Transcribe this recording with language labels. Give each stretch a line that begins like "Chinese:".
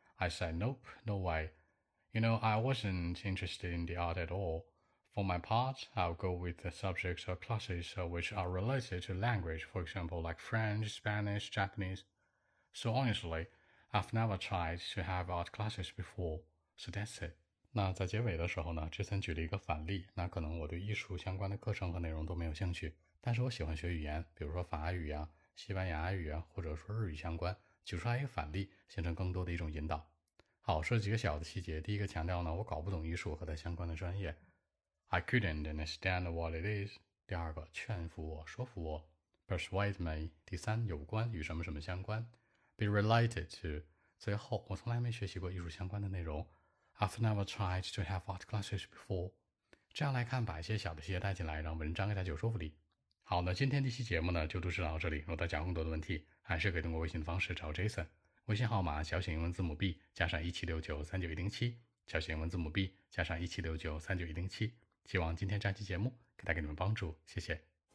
English: I said, nope, no way. You know, I wasn't interested in the art at all. For my part, I'll go with the subjects or classes which are related to language, for example, like French, Spanish, Japanese. So honestly,I've never tried to have art classes before, so that's it.
Chinese: 那在结尾的时候呢，之前举了一个反例，那可能我对艺术相关的课程和内容都没有兴趣，但是我喜欢学语言，比如说法语啊、西班牙语啊，或者说日语相关，举出来一个反例，形成更多的一种引导。好，说几个小的细节，第一个强调呢，我搞不懂艺术和它相关的专业。
English: I couldn't understand what it is.
Chinese: 第二个，劝服我，说服我。
English: Persuade me.
Chinese: 第三，有关，与什么什么相关。
English: Be related to.
Chinese: 最后，我从来没学习过艺术相关的内容。
English: I've never tried to have art classes before.
Chinese: 这样来看，把一些小的细节带进来，让文章更加有说服力。好，那今天这期节目呢，就录制到这里。如果大家有更多的问题，还是可以通过微信的方式找 Jason。微信号码小写英文字母 B 加上17693917，小写英文字母 B 加上17693917。希望今天这期节目可以带给你们帮助，谢谢。